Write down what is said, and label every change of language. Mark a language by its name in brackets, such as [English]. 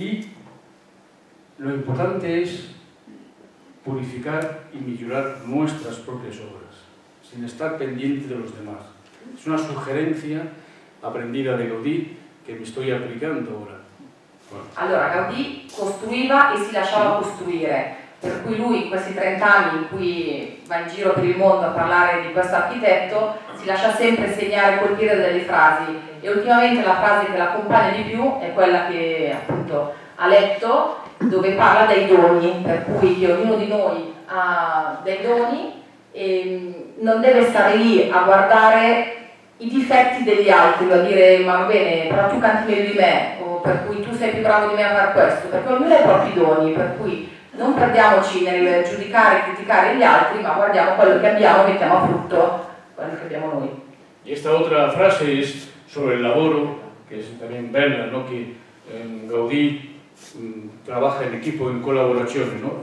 [Spanish] Y lo importante es purificar y mejorar nuestras propias obras, sin estar pendiente de los demás. Es una sugerencia aprendida de Gaudí que me estoy aplicando ahora. Bueno. [Italian] Allora, [Spanish] Gaudí construía y [Italian] se lasciava costruire. per cui lui in questi 30 anni in cui va in giro per il mondo a parlare di questo architetto si lascia sempre segnare, colpire delle frasi, e ultimamente la frase che l'accompagna di più è quella che appunto ha letto, dove parla dei doni, per cui che ognuno di noi ha dei doni e non deve stare lì a guardare i difetti degli altri, a dire ma va bene, però tu canti meglio di me, o per cui tu sei più bravo di me a fare questo, perché ognuno ha i propri doni, per cui non perdiamoci nel giudicare e criticare gli altri, ma guardiamo quello che abbiamo e mettiamo a frutto quello che abbiamo noi. Questa altra frase è sul lavoro, che è anche bella, no? Che [Spanish] Gaudí trabaja en equipo, en colaboración, ¿no?